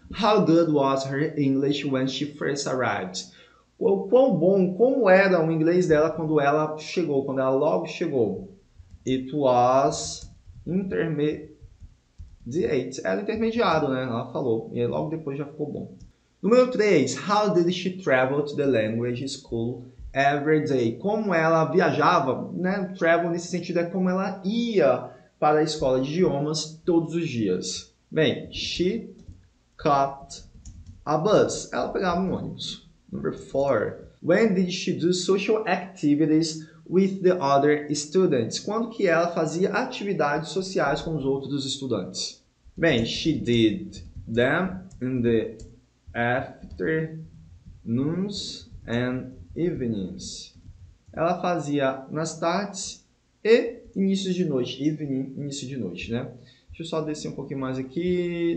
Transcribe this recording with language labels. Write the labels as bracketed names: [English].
[English] How good was her English when she first arrived? [Portuguese] Quão bom, como era o inglês dela quando ela chegou, quando ela logo chegou? [English] It was intermediate. [Portuguese] Era intermediário, né? Ela falou. E aí logo depois já ficou bom. Número 3. [English] How did she travel to the language school every day? [Portuguese] Como ela viajava, né? Travel nesse sentido é como ela ia para a escola de idiomas todos os dias. [English] Bem, she caught a bus. [Portuguese] Ela pegava um ônibus. [English] Number 4. When did she do social activities with the other students? [Portuguese] Quando que ela fazia atividades sociais com os outros estudantes? [English] Bem, she did them in the afternoons and evenings. [Portuguese] Ela fazia nas tardes e inícios de noite. Evening, início de noite, né? Deixa eu só descer um pouquinho mais aqui.